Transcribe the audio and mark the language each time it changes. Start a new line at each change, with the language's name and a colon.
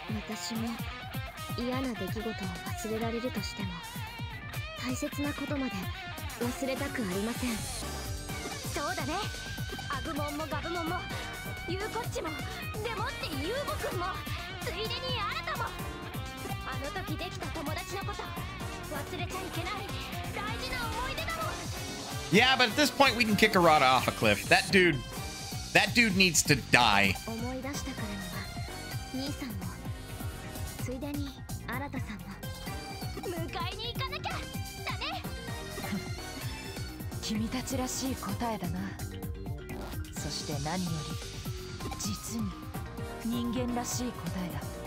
Japanese: 私も嫌な出来事を忘れられるとしても、大切なことまで忘れたくありません。そうだね、アグモンもガブモンもユーコッチもデモッティユーボ君もついでにアルタも、あの時できた友達のこと忘れちゃいけない大事な思い出だもん。
English: Yeah, but at this point we can kick Arata off a cliff. That dude needs to die.
Japanese: 思い出したからには兄さんも、ついでに新田さんも迎えに行かなきゃだね。君たちらしい答えだな。そして何より実に人間らしい答えだ。